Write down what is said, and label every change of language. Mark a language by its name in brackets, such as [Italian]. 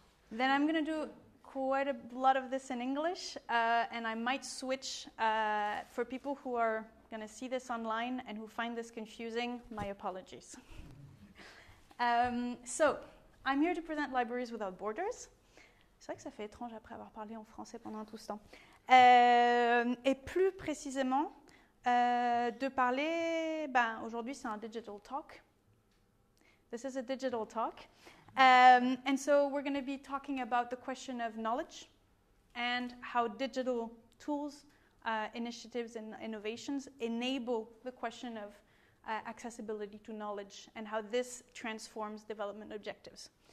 [English] Then I'm going to do quite a lot of this in English, and I might switch for people who are going to see this online and who find this confusing, my apologies. So, I'm here to present Libraries Without Borders. [French] C'est vrai que ça fait étrange après avoir parlé en français pendant tout ce temps. Et plus précisément, de parler, ben, aujourd'hui c'est un digital talk. [English] This is a digital talk. And so we're going to be talking about the question of knowledge and how digital tools initiatives and innovations enable the question of accessibility to knowledge and how this transforms development objectives.